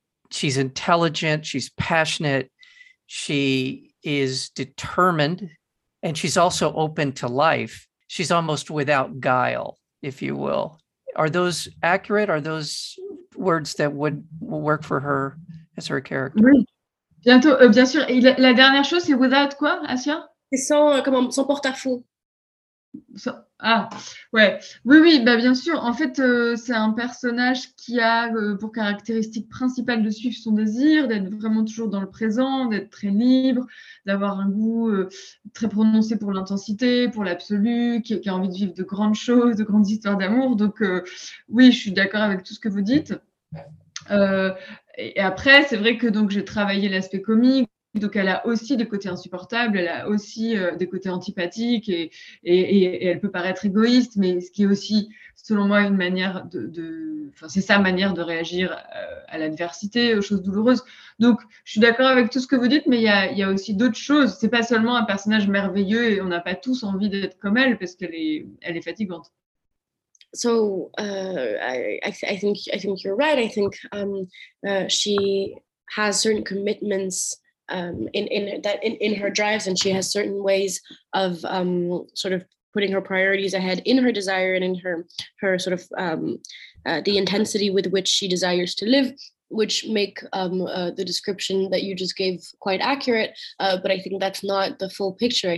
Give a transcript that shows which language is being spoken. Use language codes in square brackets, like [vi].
[en] She's intelligent, she's passionate, she is determined, and she's also open to life. She's almost without guile, if you will. Are those accurate? Are those words that would work for her as her character? [fr] Oui, bientôt, bien sûr. Et la dernière chose, c'est without quoi, Asya? C'est sans porte-à-faux. Ah, ouais. Oui, bah bien sûr. En fait, c'est un personnage qui a pour caractéristique principale de suivre son désir, d'être vraiment toujours dans le présent, d'être très libre, d'avoir un goût très prononcé pour l'intensité, pour l'absolu, qui a envie de vivre de grandes choses, de grandes histoires d'amour. Donc, oui, je suis d'accord avec tout ce que vous dites. Et après, c'est vrai que donc j'ai travaillé l'aspect comique. Donc, elle a aussi des côtés insupportables, elle a aussi des côtés antipathiques et elle peut paraître égoïste, mais ce qui est aussi, selon moi, une manière c'est sa manière de réagir à l'adversité, aux choses douloureuses. Donc, je suis d'accord avec tout ce que vous dites, mais il y a aussi d'autres choses. C'est pas seulement un personnage merveilleux et on n'a pas tous envie d'être comme elle parce qu'elle est fatigante. [en] So I think you're right. I think she has certain commitments in her drives, and she has certain ways of sort of putting her priorities ahead in her desire and in her sort of the intensity with which she desires to live, which make the description that you just gave quite accurate, but I think that's not the full picture.